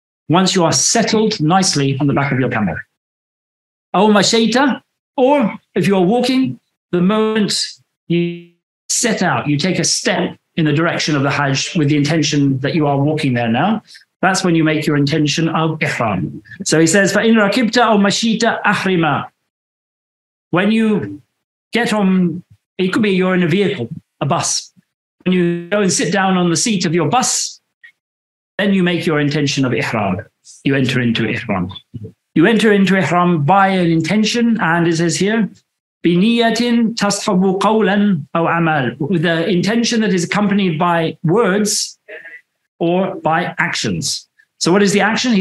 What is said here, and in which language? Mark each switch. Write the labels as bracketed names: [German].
[English] Once you are settled nicely on the back of your camel. [Arabic] Aw mashayta, [English] or if you're walking, the moment you set out, you take a step in the direction of the Hajj with the intention that you are walking there now, that's when you make your intention of ihram. So he says, [Arabic] فَإِنْ رَكِبْتَ أَوْ مَشِيْتَ أَحْرِمَا. [English] When you get on, it could be you're in a vehicle, a bus. When you go and sit down on the seat of your bus, then you make your intention of ihram. You enter into ihram. You enter into ihram by an intention, and it says here, [Arabic] بِنِيَّةٍ تَصْحَبُ قَوْلًا أَوْ عَمَلٍ, [English] with the intention that is accompanied by words or by actions. So what is the action?